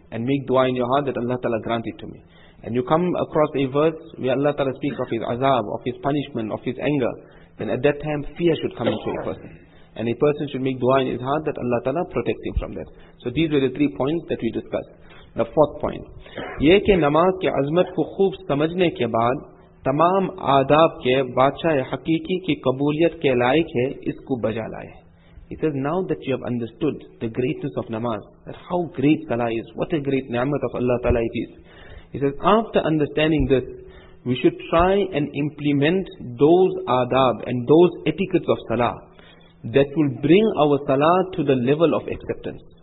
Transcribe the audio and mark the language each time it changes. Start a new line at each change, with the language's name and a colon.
English: And make dua in your heart that Allah Ta'ala grant it to me. And you come across a verse where Allah Ta'ala speaks of His azab, of His punishment, of His anger, then at that time fear should come into a person. And a person should make dua in his heart that Allah Ta'ala protect him from that. So these were the 3 points that we discussed. The fourth point.
Urdu: یہ کہ نماز کے عظمت کو خوب سمجھنے کے بعد تمام آداب کے بادشاہ حقیقی کی قبولیت کے لائق ہے اس کو بجا لائے.
English: He says, now that you have understood the greatness of namaz, that how great salah is, what a great ni'mat of Allah Ta'ala it is. He says, after understanding this, we should try and implement those adab and those etiquettes of salah that will bring our salah to the level of acceptance.